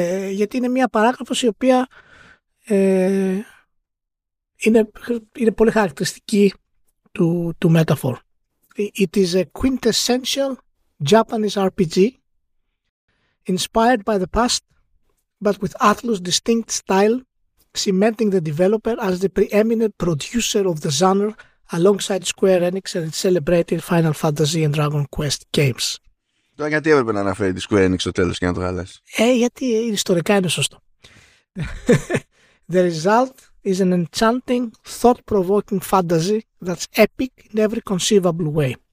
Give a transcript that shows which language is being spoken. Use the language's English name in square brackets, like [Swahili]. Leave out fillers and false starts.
[Greek] Γιατί είναι μια παράγραφος η οποία είναι πολύ χαρακτηριστική του Metaphor. [English] It is a quintessential Japanese RPG inspired by the past but with Atlus' distinct style cementing the developer as the preeminent producer of the genre alongside Square Enix and its celebrated Final Fantasy and Dragon Quest games. [Greek] Τώρα γιατί έπρεπε να αναφέρει τη Square Enix στο τέλος και να το γάλες. Γιατί ιστορικά είναι σωστό. [English] The result is an enchanting, thought-provoking fantasy that's epic in every conceivable way.